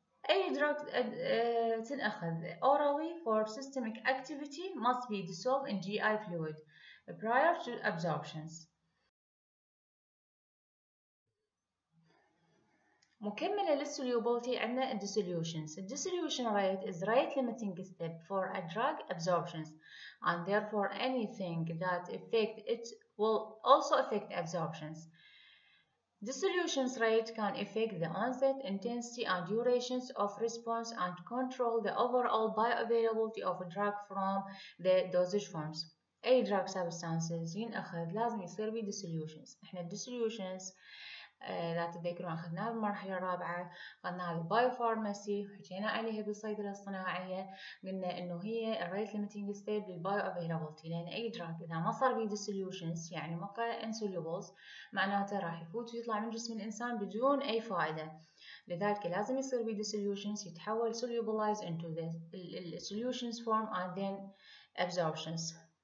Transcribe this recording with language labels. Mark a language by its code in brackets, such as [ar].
[en] أي drug تنأخذ orally for systemic activity must be dissolved in GI fluid prior to absorptions. [ar] مكملة للسوليوبولتي عندنا dissolutions. [en] The dissolution rate is rate limiting step for a drug absorptions and therefore anything that affect it will also affect absorptions. Dissolution rate can affect the onset, intensity and durations of response and control the overall bioavailability of a drug from the dosage forms. [ar] أي drug substances ينأخذ لازم يصير بي dissolutions. إحنا dissolutions لا تتذكروا أخذناها بالمرحلة الرابعة، أخذناها بالبايوفارماسي وحكينا عليها بالصيدلة الصناعية، قلنا إنه هي الريت ليميتنج ستيب للبايوافيلابيلتي، لأن أي دراج إذا ما صار فيه ديسوليوشنز يعني ما كان انسوليوبلز معناته راح يفوت ويطلع من جسم الإنسان بدون أي فائدة، لذلك لازم يصير فيه ديسوليوشنز يتحول [en] Solubilize into the السوليوشنز form and then absorptions.